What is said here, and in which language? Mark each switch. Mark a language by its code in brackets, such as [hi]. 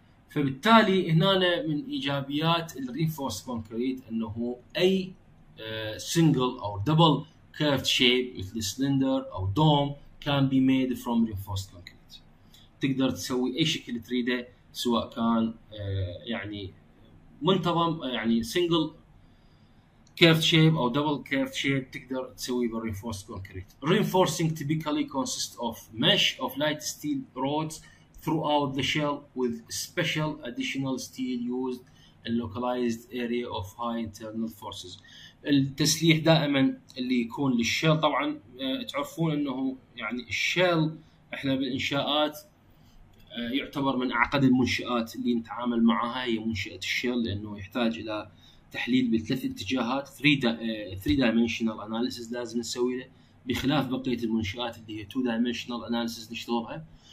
[ar] فبالتالي هنا من ايجابيات الريفورس كونكريت انه اي سنجل او دبل كيرفد شيب مثل سلندر او دوم [en] can be made from reinforced concrete, [ar] تقدر تسوي اي شكل تريده سواء كان يعني منتظم يعني سنجل كيرف شيب او دبل كيرف شيب تقدر تسوي بالريفورس كونكريت. [en] Reinforcing typically consists of mesh of light steel rods throughout the shell with special additional steel used in localized area of high internal forces. [ar] التسليح دائما اللي يكون للشيل، طبعا تعرفون انه يعني الشيل احنا بالانشاءات يعتبر من اعقد المنشآت اللي نتعامل معها هي منشأة الشيل، لانه يحتاج الى تحليل بثلاث اتجاهات 3-dimensional analysis لازم نسوي له بخلاف بقية المنشآت اللي هي 2-dimensional analysis نشتغلها.